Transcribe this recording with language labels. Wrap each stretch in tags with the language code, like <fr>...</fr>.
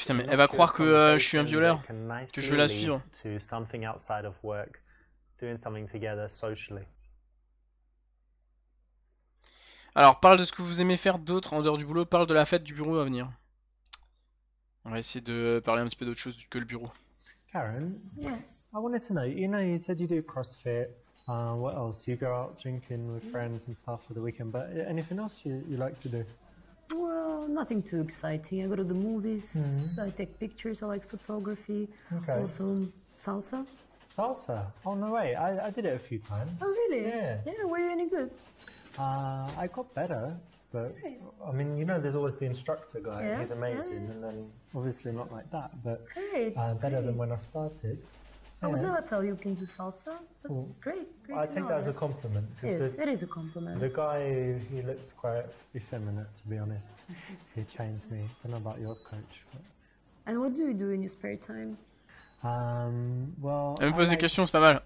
<fr>Putain, mais elle va croire que je suis un violeur, que je veux la suivre.</fr> <en>To something outside of work, doing something together socially.</en> <fr>Alors, parle de ce que vous aimez faire d'autre en dehors du boulot. Parle de la fête du bureau à venir. On va essayer de parler un petit peu d'autre chose que le bureau.</fr> <en>Karen, yes. I wanted to know, you said you do CrossFit, what else? You go out drinking with friends and stuff for the weekend, but anything else you like to do? Well, nothing too exciting. I go to the movies, I take pictures, I like photography, also salsa. Salsa? Oh, no way. I did it a few times. Oh, really? Yeah. Yeah, were you any good? I got better. But I mean, you know, there's always the instructor guy. Yeah, he's amazing, and then obviously not like that, but better than when I started. Yeah. I would never tell you can do salsa. That's great. I take that as a compliment. Yes, it is a compliment. The guy, he looked quite effeminate, to be honest. He trained me. I don't know about your coach. But... And what do you do in your spare time?</en> <fr>Elle me pose des questions, c'est pas mal.</fr>